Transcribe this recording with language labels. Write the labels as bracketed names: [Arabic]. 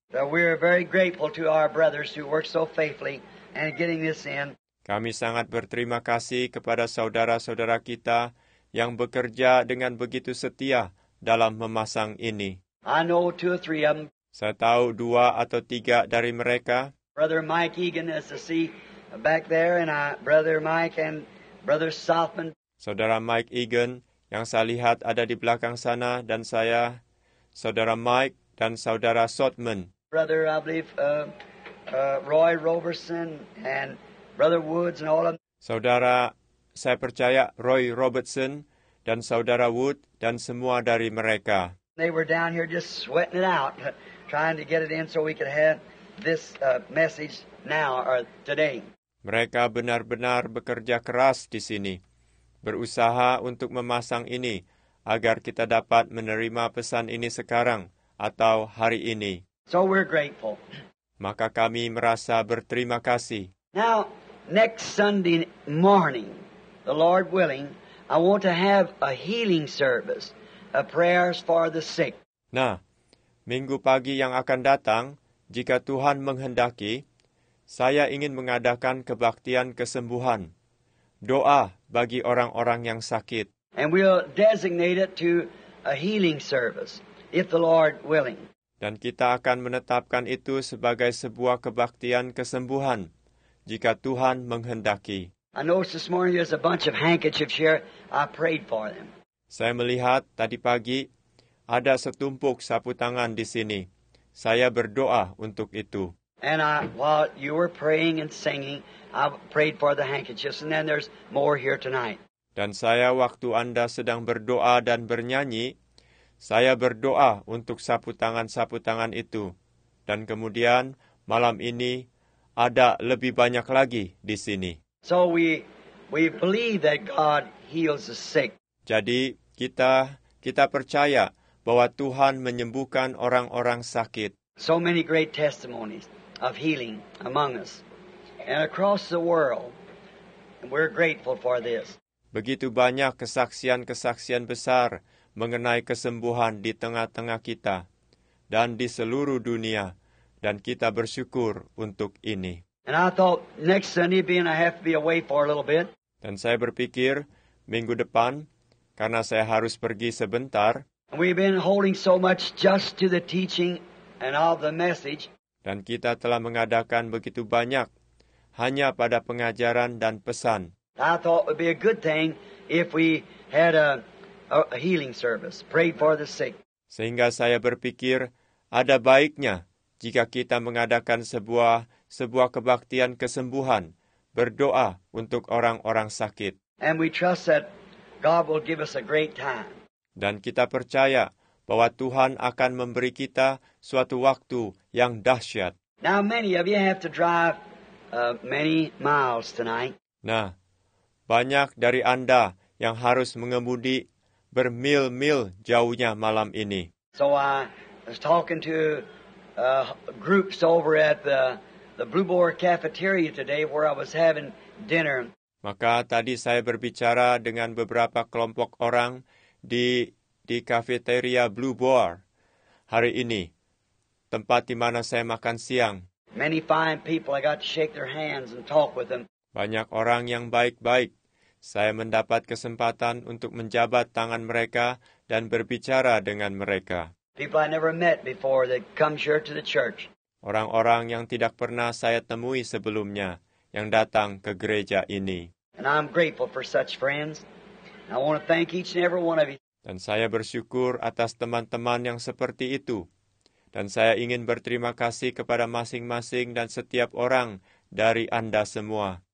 [English] So we are very grateful to our brothers who work so faithfully and getting this in. [Indonesian] Kami sangat berterima kasih kepada saudara-saudara kita yang bekerja dengan begitu setia dalam memasang ini. [English] I know two or three of them. [Indonesian] Saya tahu dua atau tiga dari mereka. [English] Brother Mike Egan, as I see back there, and Brother Mike and Brother Southman. [Indonesian] Saudara Mike Egan yang saya lihat ada di belakang sana, dan saya, Saudara Mike dan Saudara Southman. [English] Brother, I believe Roy Robertson and Brother Woods and all of them. [Indonesian] Saudara, saya percaya Roy Robertson dan Saudara Wood dan semua dari mereka. [English] They were down here just sweating it out, trying to get it in so we could have this message now or today. [Indonesian] Mereka benar-benar bekerja keras di sini, berusaha untuk memasang ini agar kita dapat menerima pesan ini sekarang atau hari ini. [English] So we're grateful. [Indonesian] Maka kami merasa berterima kasih. [English] Now, next Sunday morning, the Lord willing, I want to have a healing service, a prayers for the sick. [Indonesian] Nah, minggu pagi yang akan datang, jika Tuhan menghendaki, saya ingin mengadakan kebaktian kesembuhan, doa bagi orang-orang yang sakit. [English] And we'll designate it to a healing service, if the Lord willing. [Indonesian] Dan kita akan menetapkan itu sebagai sebuah kebaktian kesembuhan, jika Tuhan menghendaki. [English] I noticed this morning there's a bunch of handkerchiefs here. I prayed for them. [Indonesian] Saya melihat tadi pagi ada setumpuk sapu tangan di sini. Saya berdoa untuk itu. [English] And while you were praying and singing, I prayed for the handkerchiefs. And then there's more here tonight. [Indonesian] Dan saya waktu Anda sedang berdoa dan bernyanyi, saya berdoa untuk sapu tangan itu. Dan kemudian malam ini ada lebih banyak lagi di sini. [English] So we believe that God heals the sick. [Indonesian] Jadi kita percaya bahwa Tuhan menyembuhkan orang-orang sakit. [English] So many great testimonies of healing among us and across the world. And we're grateful for this. [Indonesian] Begitu banyak kesaksian-kesaksian besar mengenai kesembuhan di tengah-tengah kita dan di seluruh dunia, dan kita bersyukur untuk ini. [English] And I thought next Sunday being I have to be away for a little bit. [Indonesian] Dan saya berpikir minggu depan karena saya harus pergi sebentar. [English] And we've been holding so much just to the teaching and all the message. [Indonesian] Dan kita telah mengadakan begitu banyak hanya pada pengajaran dan pesan. [English] I thought it would be a good thing if we had a healing service, prayed for the sick. [Indonesian] Sehingga saya berpikir ada baiknya jika kita mengadakan sebuah kebaktian kesembuhan, berdoa untuk orang-orang sakit. [English] And we trust that God will give us a great time. [Indonesian] Dan kita percaya bahwa Tuhan akan memberi kita suatu waktu yang dahsyat. [English] Now many of you have to drive many miles tonight. [Indonesian] Nah, banyak dari Anda yang harus mengemudi bermil-mil jauhnya malam ini. [English] So I was talking to groups over at the Blue Boar cafeteria today where I was having dinner. [Indonesian] Maka tadi saya berbicara dengan beberapa kelompok orang di cafeteria Blue Boar hari ini, tempat di mana saya makan siang. [English] Many fine people, I got to shake their hands and talk with them. [Indonesian] Banyak orang yang baik-baik. Saya mendapat kesempatan untuk menjabat tangan mereka dan berbicara dengan mereka. [English] People I never met before that come here to the church. [Indonesian] Orang-orang yang tidak pernah saya temui sebelumnya yang datang ke gereja ini. [English] And I'm grateful for such friends. I want to thank each and every one of you. [Indonesian] Dan saya bersyukur atas teman-teman yang seperti itu. Dan saya ingin berterima kasih kepada masing-masing dan setiap orang dari Anda semua.